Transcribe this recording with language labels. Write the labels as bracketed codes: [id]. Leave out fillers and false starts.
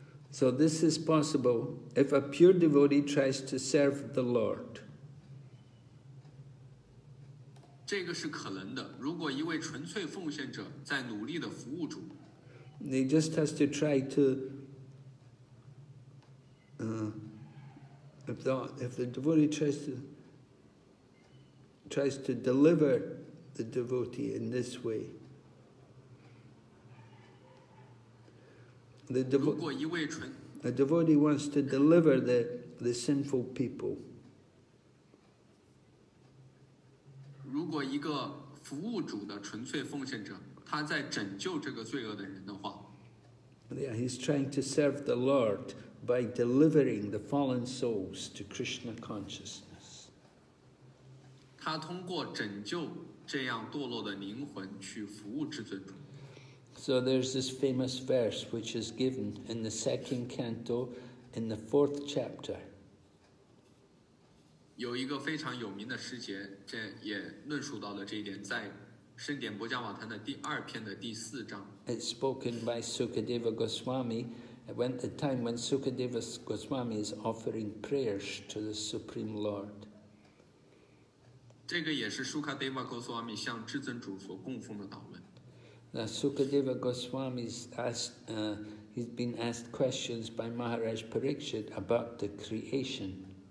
[en] So this is possible if a pure devotee tries to serve the Lord. [zh] 这个是可能的，如果一位纯粹奉献者在努力地服务主。 [en] He just has to try to, if the devotee tries to deliver the devotee in this way. A devotee wants to deliver the sinful people. [zh] 如果一个服务主的纯粹奉献者，他在拯救这个罪恶的人的话。 [en] Yeah, he's trying to serve the Lord by delivering the fallen souls to Krishna consciousness. [zh] 他通过拯救这样堕落的灵魂去服务至尊主。 [en] So there's this famous verse which is given in the second canto, in the fourth chapter. [zh] 有一个非常有名的诗节，这也论述到了这一点，在圣典波迦瓦坛的第二篇的第四章。 [en] It's spoken by Sukadeva Goswami when the time when Sukadeva Goswami is offering prayers to the Supreme Lord. [zh] 这个也是 Sukadeva Goswami 向至尊主所供奉的祷文。 [en] Now, Sukadeva Goswami is asked, he's been asked questions by Maharaj Parikshit about the creation.